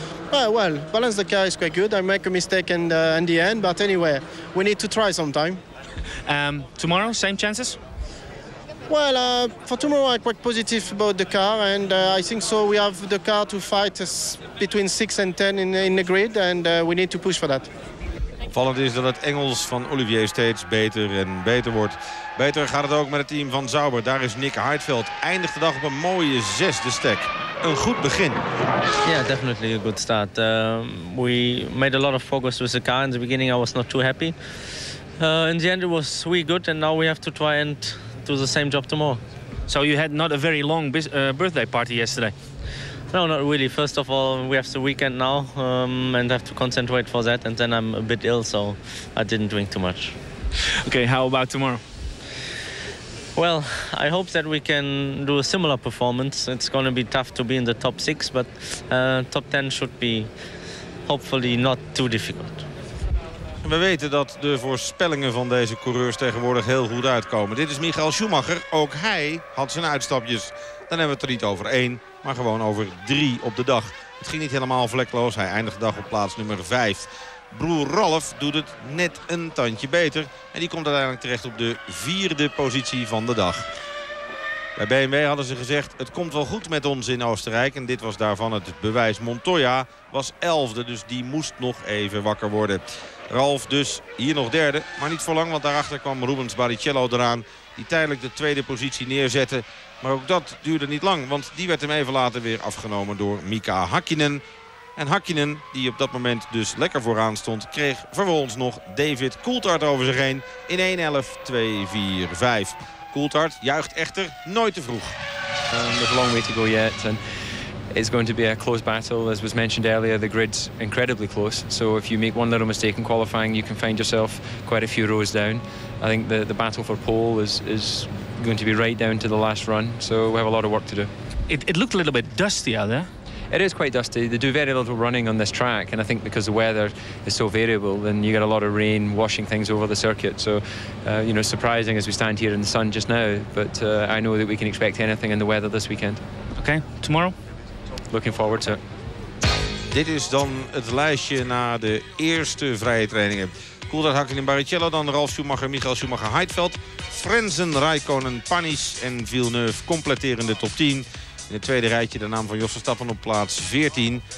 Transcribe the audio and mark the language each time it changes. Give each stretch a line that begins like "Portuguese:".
English: Well, balance the car is quite good. I make a mistake in the end, but anyway, we need to try sometime. Tomorrow, same chances? Well, for tomorrow, I'm quite positive about the car, and I think so. We have the car to fight between 6 and 10 in the grid, and we need to push for that.
Dutch: Opvallend is dat het Engels van Olivier steeds beter en beter wordt. Beter gaat het ook met het team van Sauber. Daar is Nick Heidfeld. Eindigt de dag op een mooie 6e stek. Een goed begin.
English: Yeah, definitely a good start. We made a lot of progress with the car. In the beginning I was not too happy. In the end it was we good and now we have to try and do the same job tomorrow. So you had not a very long birthday party yesterday? No, not really. First of all, we have the weekend now and have to concentrate for that. And then I'm a bit ill, so I didn't drink too much. Okay, how about tomorrow? Well, I hope that we can do a similar performance. It's going to be tough to be in the top six, but top ten should be hopefully not too difficult.
Dutch: We weten dat de voorspellingen van deze coureurs tegenwoordig heel goed uitkomen. Dit is Michael Schumacher. Ook hij had zijn uitstapjes. Dan hebben we het er niet over één, maar gewoon over drie op de dag. Het ging niet helemaal vlekloos. Hij eindigt de dag op plaats nummer 5. Broer Rolf doet het net een tandje beter. En die komt uiteindelijk terecht op de 4e positie van de dag. Bij BMW hadden ze gezegd, het komt wel goed met ons in Oostenrijk. En dit was daarvan het bewijs. Montoya was 11e, dus die moest nog even wakker worden. Rolf dus hier nog 3e, maar niet voor lang. Want daarachter kwam Rubens Barrichello eraan. Die tijdelijk de 2e positie neerzette. Maar ook dat duurde niet lang. Want die werd hem even later weer afgenomen door Mika Häkkinen. En Häkkinen, die op dat moment dus lekker vooraan stond, kreeg vervolgens nog David Coulthard over zich heen in 1:11.245. Coulthard juicht echter nooit te vroeg.
English: There's a long way to go yet, and it's going to be a close battle. As was mentioned earlier, the grid's incredibly close. So if you make one little mistake in qualifying, you can find yourself quite a few rows down. I think the battle for pole is going to be right down to the last run. So we have a lot of work to do. It looked a little bit dusty out there. It is quite dusty. They do very little running on this track, and I think because the weather is so variable, then you get a lot of rain washing things over the circuit. So, you know, surprising as we stand here in the sun just now, but I know that we can expect anything in the weather this weekend. Okay, tomorrow? Looking forward to it.
Dutch: Dit is dan het lijstje na de eerste vrije trainingen. Coulthard, Häkkinen en Barrichello, dan Ralf Schumacher, Michael Schumacher, Heidfeld, Frenzen, Raikkonen, Panis en Villeneuve completeren de top 10. In het tweede rijtje de naam van Jos Verstappen op plaats 14.